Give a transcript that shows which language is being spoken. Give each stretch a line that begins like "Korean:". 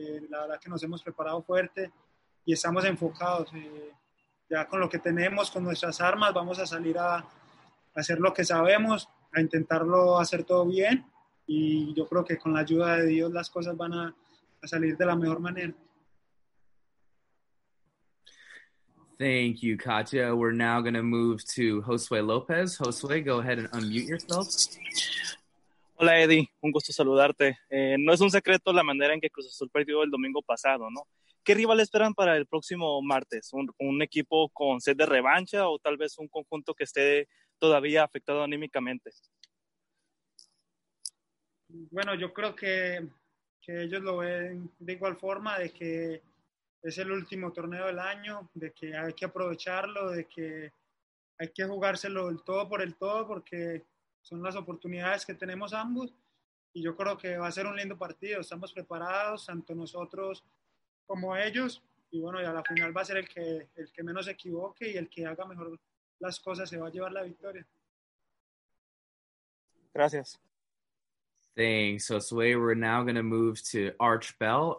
Spanish: La verdad que nos hemos preparado fuerte y estamos enfocados. Ya con lo que tenemos, con nuestras armas, vamos a salir a hacer lo que sabemos, a intentarlo hacer todo bien, y yo creo que con la ayuda de Dios las cosas van a salir de la mejor manera.
English: Thank you, Katia. We're now going to move to Josue Lopez. Josue, go ahead and unmute yourself.
Spanish: Hola, Eddie. Un gusto saludarte. No es un secreto la manera en que Cruz Azul perdió el domingo pasado, ¿no? ¿Qué rival esperan para el próximo martes? ¿Un equipo con sed de revancha o tal vez un conjunto que esté todavía afectado anímicamente? Bueno, yo creo que ellos lo ven de igual forma, de que es el último torneo del año, de que hay que aprovecharlo, de que hay que jugárselo el todo por el todo, porque son las oportunidades que tenemos ambos, y yo creo que va a ser un lindo partido. Estamos preparados, tanto nosotros como ellos, y bueno, y a la final va a ser el que menos se equivoque y el que haga mejor las cosas se va a llevar la victoria. Gracias.
English: Thanks, Josue. We're now going to move to Arch Bell.